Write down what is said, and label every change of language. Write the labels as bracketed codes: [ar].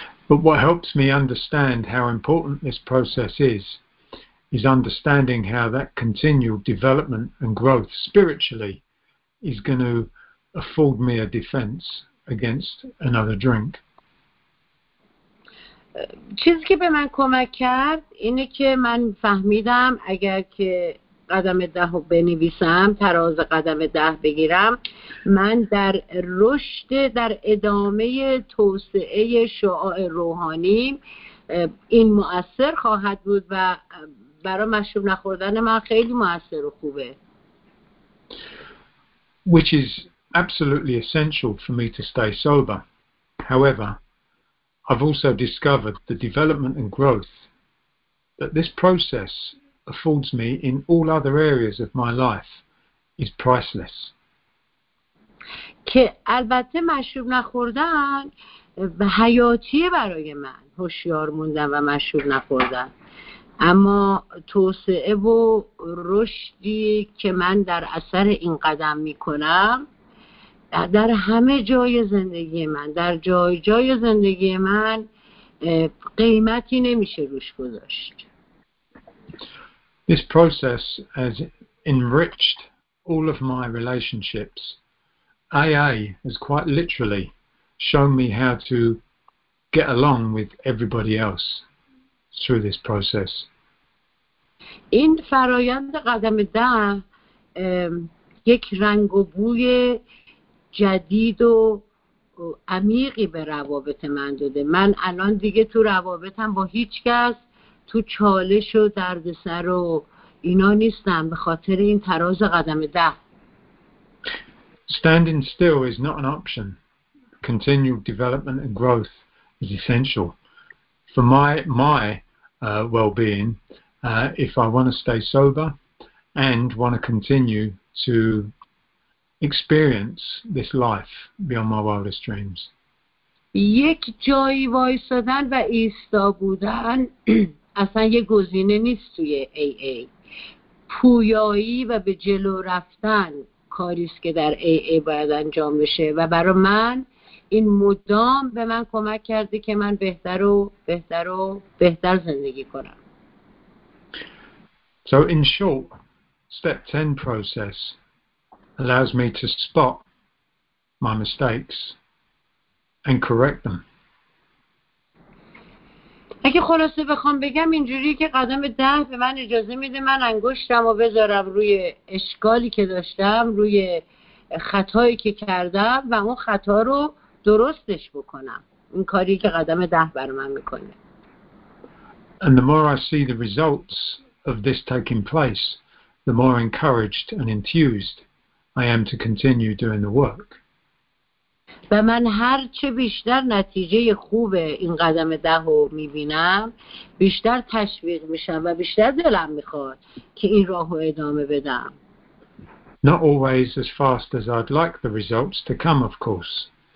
[en] But what helps me understand how important this process is understanding how that continual development and growth spiritually is going to afford me a defense against another drink. [fa] چیزی که به من کمک کرد اینه که من فهمیدم اگر که قدم 10 رو بنویسم، تراز قدم 10 بگیرم، من در رشد، در ادامه توسعه شعاع روحانی این مؤثر خواهد بود و برای مشروب نخوردن من خیلی مؤثر و خوبه. [en] Which is absolutely essential for me to stay sober. However, I've also discovered the development and growth that this process affords me in all other areas of my life is priceless. [fa] که البته مشروب نخوردن حیاتیه برای من، هوشیار موندن و مشروب نخوردن، اما توسعه و رشدی که من در اثر این قدم میکنم در همه جای زندگی من، در جای جای زندگی من قیمتی نمیشه روش گذاشت. [en] This process has enriched all of my relationships. AA has quite literally shown me how to get along with everybody else through this process. [fa] این فرایند قدم ده یک رنگ و بوی جدید و عمیقی به روابط من داده. من الان دیگه تو روابطم با هیچ کس تو چالش و دردسر و اینا نیستم به خاطر این تراز قدم ده. [en] Standing still is not an option. Continual development and growth is essential for my well-being if I want to stay sober and want to continue to experience this life beyond my wildest dreams. [fa] یک جای وایسادن و ایستا بودن اصلا یه گزینه نیست توی AA. پویایی و به جلو رفتن کاریست که در AA باید انجام بشه و برای من این مدام به من کمک کرده که من بهتر و بهتر و بهتر زندگی کنم. [en] So in short, step 10 process allows me to spot my mistakes and correct them. [fa] اگه خلاصه بخوام بگم اینجوری که قدم ده به من اجازه میده من انگشتم رو بذارم روی اشکالی که داشتم، روی خطایی که کردم و اون خطا رو درستش بکنم. این کاری که قدم ده بر من میکنه. [en] And the more I see the results of this taking place, the more encouraged and enthused I am to continue doing the work. [fa] و من هر چه بیشتر نتیجه خوب این قدم دهو میبینم بیشتر تشویق میشم و بیشتر دلم میخواد که این راهو ادامه بدم. [en] Not always as fast as I'd like the results to come, of course.